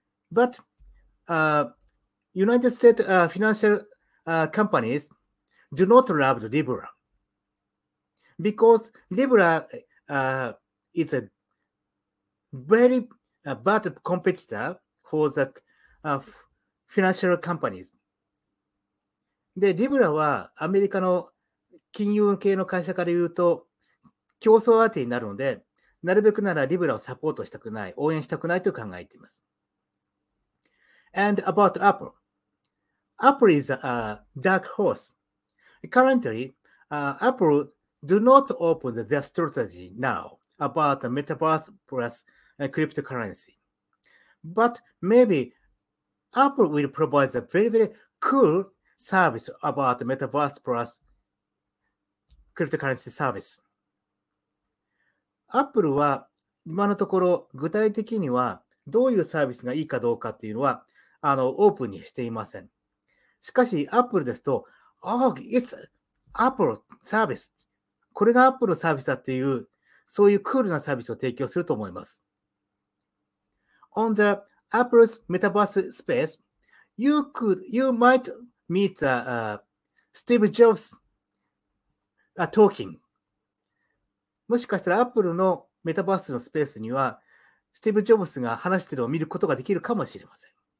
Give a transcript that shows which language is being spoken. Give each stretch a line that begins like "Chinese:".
English: But United States financial companies do not love Libra. Because Libra is a very bad competitor for the financial companies.
Japanese: で、Libra はアメリカの金融系の会社から言うと競争相手になるので、なるべくなら Libra をサポートしたくない、応援したくないと考えています。
English: And about Apple. Apple is a dark horse. Currently, Appledo not open their strategy now about the metaverse plus cryptocurrency. But maybe Apple will provide a very, very cool service about the metaverse plus cryptocurrency service.
Japanese: Apple は今のところ具体的にはどういうサービスがいいかどうかっていうのはオープンにしていません。しかし Apple ですと、
English: oh, it's Apple service.
Japanese: これがアップルサービスだっていう、そういうクールなサービスを提供すると思います。
English: On the Apple's Metaverse Space, you might meet Steve Jobs talking.
Japanese: もしかしたらアップルのメタバースのスペースには、スティーブ・ジョブスが話しているのを見ることができるかもしれません。